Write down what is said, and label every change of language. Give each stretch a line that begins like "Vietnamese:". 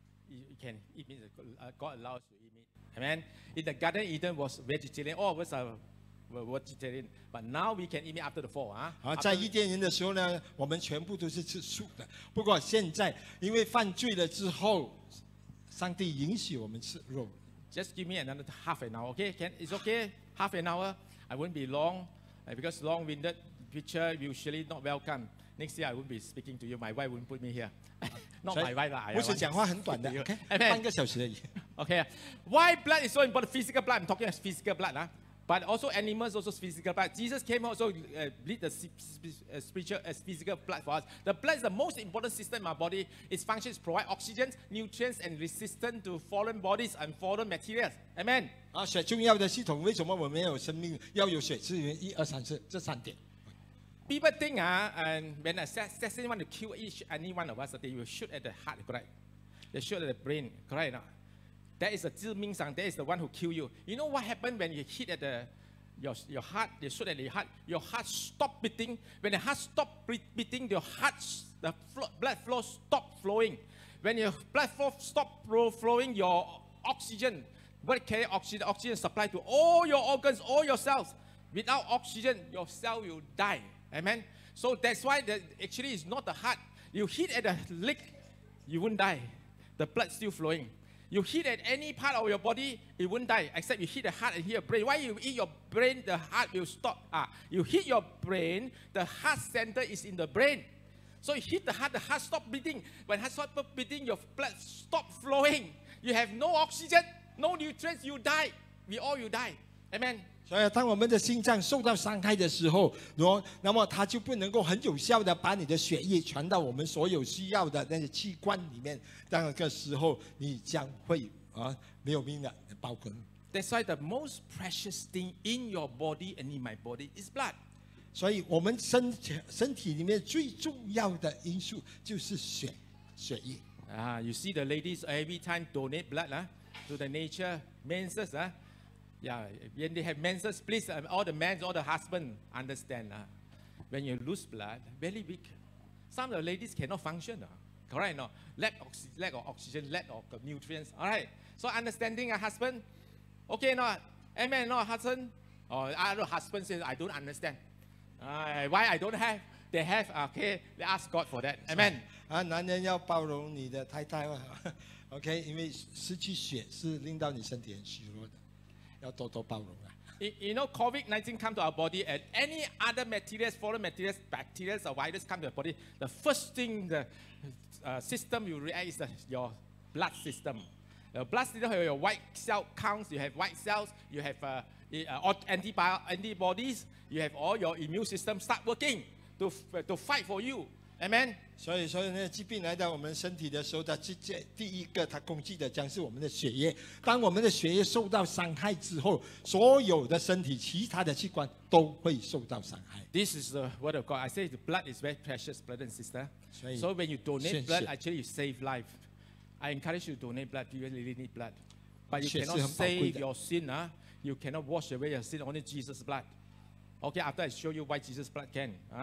English: you can eat meat, God allows you to eat meat. Amen. In the Garden Eden was vegetarian, all of us are vegetarian, but now we can eat meat after the fall.
Chinese: 在伊甸园的时候呢，我们全部都是吃素的。不过现在，因为犯罪了之后，上帝允许我们吃肉。
English: Just give me another half an hour, okay? It's okay. Half an hour. I won't be long, because long-winded preacher usually not welcome. Next year, I won't be speaking to you. My wife won't put me here. Not my wife lah.
Chinese: 我是讲话很短的 ，okay? 半个小时而已。
English: Okay. Why blood is so important? Physical blood. I'm talking about physical blood, huh? But also animals, also physical blood. Jesus came also bleed the spiritual as physical blood for us. The blood is the most important system in our body. Its function is provide oxygen, nutrients, and resistance to foreign bodies and foreign materials. Amen.
Chinese: 啊，血重要的系统，为什么我们要有生命，要有血？是因为一二三四这三点。
English: People think and when assassin want to kill each any one of us, they will shoot at the heart, correct? They shoot at the brain, correct? Not? That is a Jil Ming Sang. That is the one who kill you. You know what happened when you hit at the, your heart? They shoot at your heart stop beating. When the heart stop beating, your heart, blood flow stop flowing. When your blood flow stop flowing, your oxygen, what carry oxygen? Oxygen supply to all your organs, all your cells. Without oxygen, your cell will die. Amen? So that's why actually it's not the heart. You hit at the leg, you won't die. The blood still flowing. You hit at any part of your body, it won't die, except you hit the heart and hit your brain. Why you hit your brain, the heart will stop. You hit your brain, the heart center is in the brain. So you hit the heart stop beating. When heart stop beating, your blood stop flowing. You have no oxygen, no nutrients, you die. We all, you die. Amen.
Chinese: 所以当我们的心脏受到伤害的时候，那么它就不能够很有效的把你的血液传到我们所有需要的那些器官里面，那个时候你将会没有命的，包括。
English: That's why the most precious thing in your body and in my body is blood.
Chinese: 所以我们身体里面最重要的因素就是血液。
English: You see the ladies every time donate blood to the nature menses Yeah, when they have menses, please, all the men, all the husbands, understand. When you lose blood, very weak. Some of the ladies cannot function. Correct? No? Lack of oxygen, lack of nutrients. All right. So understanding a husband, okay, no? Amen, no, husband? Or other husbands say, I don't understand. Why I don't have? They have, okay? They ask God for that. Amen.
Chinese: 男人要包容你的太太 okay? 因为失去血是令到你身体很虚弱的。要多多包容啊！
English: You know, COVID-19 come to our body, and any other materials, foreign materials, bacteria or virus come to our body. The first thing the system you react is your blood system. The blood system, your white cell counts. You have white cells. You have antibodies. You have all your immune system start working to fight for you. Amen.
Chinese: 所以那疾病来到我们身体的时候，它第一个它攻击的将是我们的血液。当我们的血液受到伤害之后，所有的身体其他的器官都会受到伤害。
English: This is the word of God. I say the blood is very precious, brother and sister. So when you donate blood, actually you save life. I encourage you to donate blood. You really need blood. But you cannot save your sin. You cannot wash away your sin. Only Jesus' blood. Okay, after I show you why Jesus' blood can.